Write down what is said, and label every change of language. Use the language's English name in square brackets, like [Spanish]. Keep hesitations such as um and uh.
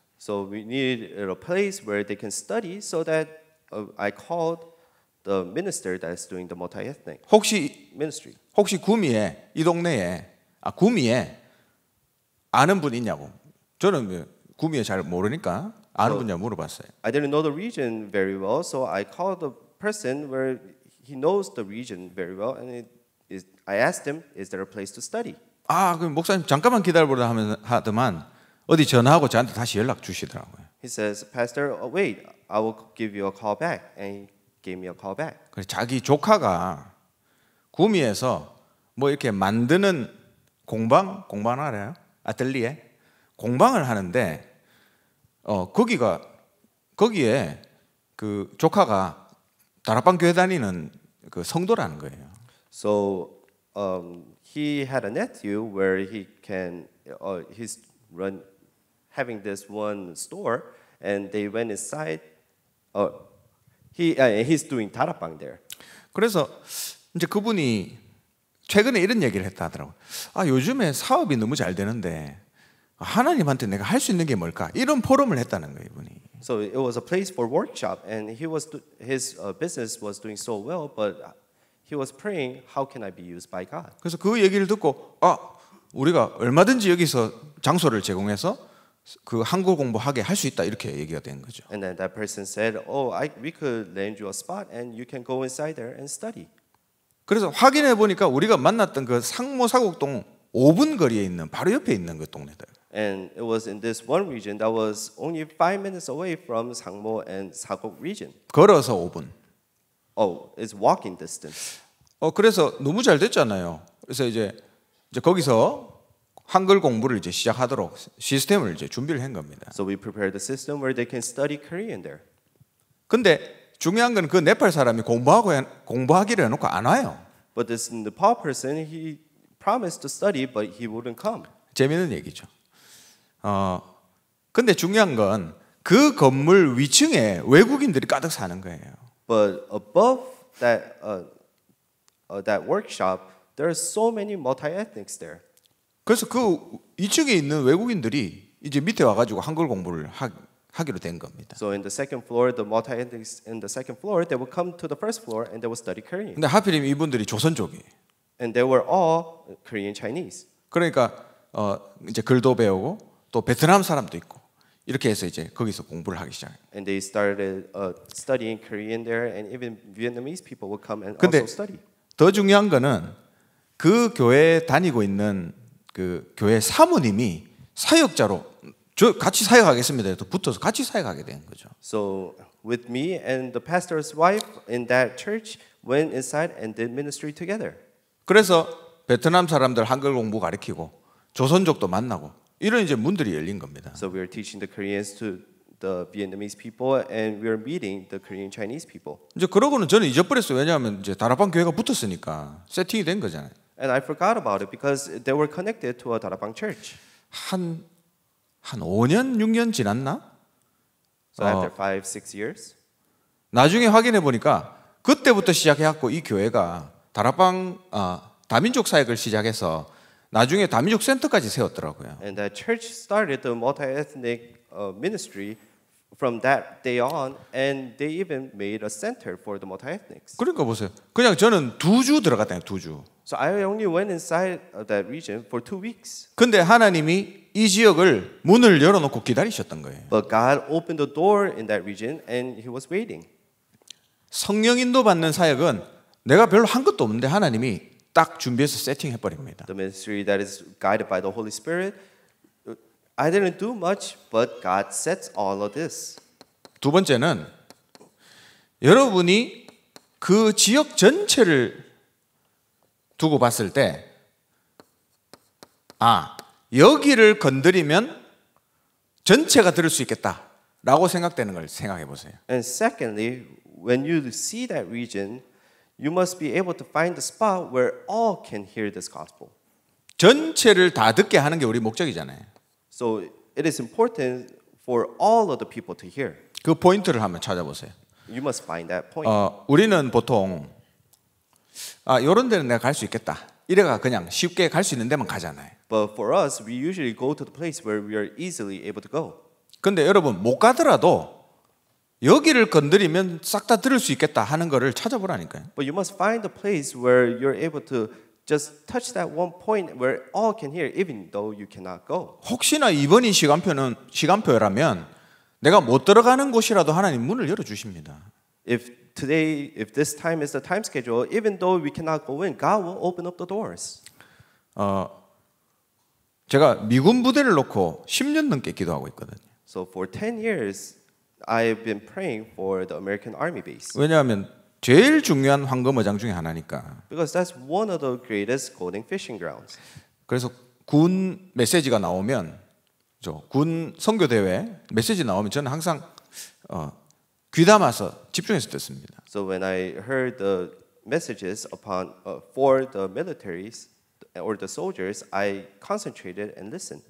[English] So we need a place where they can study so that uh, I called the minister that is doing the multi-ethnic 혹시, ministry. [Korean] 혹시 구미에 이 동네에 아 구미에 아는 분 있냐고 저는 구미에 잘 모르니까 아는 so 분이야 물어봤어요. [English] I didn't know the region very well, so I called the person where he knows the region very well, and it is, I asked him, is there a place to study? [Korean] 아, 그럼 목사님 잠깐만 기다려보라 하면 하더만 어디 전화하고 저한테 다시 연락 주시더라고요. [English] He says, Pastor, wait, I will give you a call back, and he gave me a call back. [Korean] 그래, 자기 조카가 구미에서 뭐 이렇게 만드는 공방, 공방 알아요? 아틀리에 공방을 하는데. 어, 거기가, 거기에 그 조카가 다락방 교회 다니는 그 성도라는 거예요. [English] So um, he had a nephew where he can, uh, he's run, having this one store and they went inside. Uh, he, uh, he's doing 다락방 there. [Korean] 그래서 이제 그분이 최근에 이런 얘기를 했다 하더라고요. 아, 요즘에 사업이 너무 잘 되는데 하나님한테 내가 할 수 있는 게 뭘까? 이런 포럼을 했다는 거예요, 이분이. [English] So it was a place for workshop and he was do, his uh, business was doing so well but he was praying how can I be used by God. [Korean] 그래서 그 얘기를 듣고 아, 우리가 얼마든지 여기서 장소를 제공해서 그 한국 공부하게 할 수 있다 이렇게 얘기가 된 거죠. [English] And then that person said, "Oh, I we could lend you a spot and you can go inside there and study." [Korean] 그래서 확인해 보니까 우리가 만났던 그 상모사곡동 5분 거리에 있는 바로 옆에 있는 그 동네다. [English] And it was in this one region that was only five minutes away from Sangmo and s a g o region. [Korean] 걸어서 5분. [English] Oh, it's walking distance. 어 [Korean] 그래서 너무 잘 됐잖아요. 그래서 이제 이제 거기서 한글 공부를 이제 시작하도록 시스템을 이제 준비를 한 겁니다. [English] So we prepared the system where they can study Korean there. [Korean] 근데 중요한 건 그 네팔 사람이 공부하고 공부하기를 해놓고 안 와요. [English] But this Nepal person he promised to study, but he wouldn't come. [Korean] 재밌는 얘기죠. 어, 근데 중요한 건 그 건물 위층에 외국인들이 가득 사는 거예요. [English] But above that uh, uh, that workshop, there are so many multi-ethnics there. [Korean] 그래서 그 2층에 있는 외국인들이 이제 밑에 와가지고 한글 공부를 하, 하기로 된 겁니다. [English] So in the second floor, the multi-ethnics in the second floor, they would come to the first floor and they would study Korean. [Korean] 근데 하필이면 이분들이 조선족이. [English] And they were all Korean Chinese. [Korean] 그러니까 어, 이제 글도 배우고. 또 베트남 사람도 있고 이렇게 해서 이제 거기서 공부를 하기 시작해요. [English] And they started uh, studying Korean there, and even Vietnamese people would come and also study. [Korean] 더 중요한 거는 그 교회 다니고 있는 그 교회 사모님이 사역자로 저 같이 사역하겠습니다. 또 붙어서 같이 사역하게 된 거죠. [English] So with me and the pastor's wife in that church went inside and did ministry together. [Korean] 그래서 베트남 사람들 한글 공부 가르치고 조선족도 만나고 이런 이제 문들이 열린 겁니다. [English] So we are teaching the Koreans to the Vietnamese people and we are meeting the Korean Chinese people. [Korean] 이제 그러고는 저는 잊어버렸어요. 왜냐하면 이제 다라방 교회가 붙었으니까 세팅이 된 거잖아요. [English] And I forgot about it because they were connected to a Darabang church. [Korean] 한 한 5년 6년 지났나? [English] So after 5 어, 6 years. [Korean] 나중에 확인해 보니까 그때부터 시작해 갖고 이 교회가 다라방 아 어, 다민족 사역을 시작해서 나중에 다민족 센터까지 세웠더라고요. [English] And the church started the multi-ethnic ministry from that day on, and they even made a center for the multi-ethnics. [Korean] 그러니까 보세요. 그냥 저는 두 주 들어갔다요, 두 주. So I only went inside that region for two weeks. 근데 하나님이 이 지역을 문을 열어놓고 기다리셨던 거예요. [English] But God opened the door in that region, and He was waiting. [Korean] 성령 인도 받는 사역은 내가 별로 한 것도 없는데 하나님이 딱 준비해서 세팅해 버립니다. [English] The ministry that is guided by the Holy Spirit. I didn't do much, but God sets all of this. [Korean] 두 번째는 여러분이 그 지역 전체를 두고 봤을 때 아, 여기를 건드리면 전체가 들을 수 있겠다라고 생각되는 걸 생각해 보세요. [English] And secondly, when you see that region you must be able to find the spot where all can hear this gospel. [Korean] 전체를 다 듣게 하는 게 우리 목적이잖아요. [English] So it is important for all of the people to hear. [Korean] 그 포인트를 한번 찾아보세요. [English] You must find that point. [Korean] 어, 우리는 보통 아, 이런 데는 내가 갈 수 있겠다. 이래가 그냥 쉽게 갈 수 있는 데만 가잖아요. [English] But for us, we usually go to the place where we are easily able to go. [Korean] 근데 여러분 못 가더라도 여기를 건드리면 싹 다 들을 수 있겠다 하는 거를 찾아보라니까요. [English] But you must find a place where you're able to just touch that one point where all can hear even though you cannot go. [Korean] 혹시나 이번이 시간표는 시간표라면 내가 못 들어가는 곳이라도 하나님 문을 열어 주십니다. [English] If today if this time is the time schedule even though we cannot go in God will open up the doors. [Korean] 어 제가 미군 부대를 놓고 10년 넘게 기도하고 있거든요. [English] So for 10 years I've been praying for the American Army base. [Korean] 왜냐하면 제일 중요한 황금어장 중에 하나니까. [English] Because that's one of the greatest golden fishing grounds. [Korean] 그래서 군 메시지가 나오면, 저 군 선교 대회 메시지 나오면 저는 항상 어, 귀담아서 집중해서 듣습니다. [English] So when I heard the messages upon uh, for the militaries. or the soldiers, I concentrated and listened.